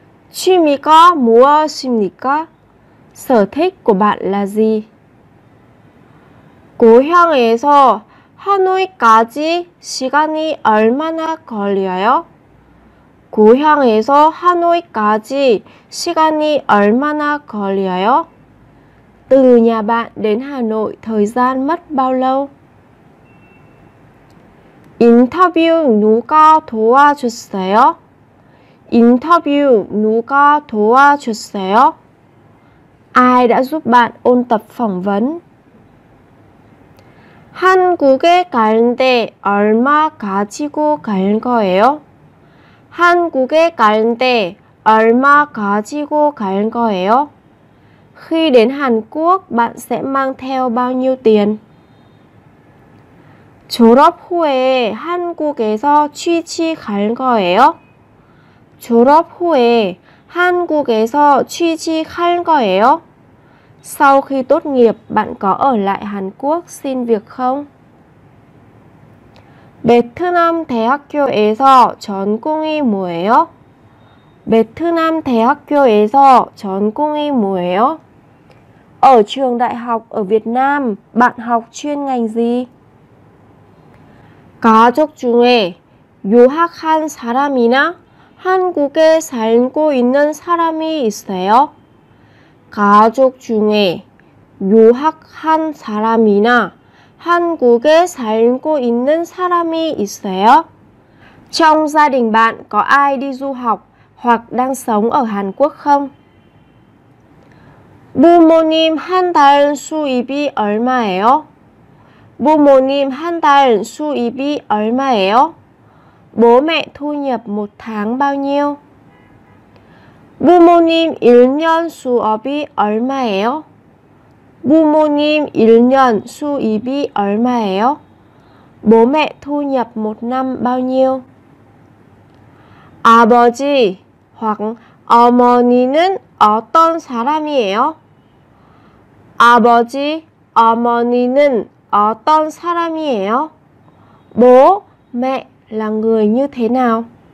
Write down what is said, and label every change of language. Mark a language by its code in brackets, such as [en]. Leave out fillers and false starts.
[ko] 취미가 무엇입니까? [vi] Sở thích của bạn là gì? [ko] 고향에서 하노이까지 시간이 얼마나 걸려요? 고향에서 하노이까지 시간이 얼마나 걸려요? [vi] Từ nhà bạn đến Hà Nội thời gian mất bao lâu? [ko] 인터뷰 누가 도와줬어요? 인터뷰 누가 도와줬어요? [vi] Ai đã giúp bạn ôn tập phỏng vấn? [ko] 한국에 가는데 얼마 가지고 갈 거예요? 한국에 가는데 얼마 가지고 갈 거예요? [vi] Khi đến Hàn Quốc, bạn sẽ mang theo bao nhiêu tiền? [ko] 졸업 후에 한국에서 취직 갈 거예요? 졸업 후에 한국에서 취직할 거예요? [vi] Sau khi tốt nghiệp, bạn có ở lại Hàn Quốc xin việc không? [ko] 베트남 대학교에서 전공이 뭐예요? 베트남 대학교에서 전공이 뭐예요? [vi] Ở trường đại học ở Việt Nam, bạn học chuyên ngành gì? [ko] 가족 중에 유학한 사람이나 한국에 살고 있는 사람이 있어요? 가족 중에 유학한 사람이나 한국에 살고 있는 사람이 있어요? [vi] Trong gia đình bạn có ai đi du học hoặc đang sống ở Hàn Quốc không? [ko] 부모님 한달 수입이 얼마예요? 부모님 한달 수입이 얼마예요? [vi] Bố mẹ thu nhập một tháng bao nhiêu? [ko] 부모님 1년 수업이 얼마예요? 부모님 1년 수입이 얼마예요? [vi] Bố mẹ thu nhập một năm bao nhiêu? [ko] 아버지 hoặc 어머니는 어떤 사람이에요? 아버지 어머니는 어떤 사람이에요? [vi] Bố mẹ là người như thế nào?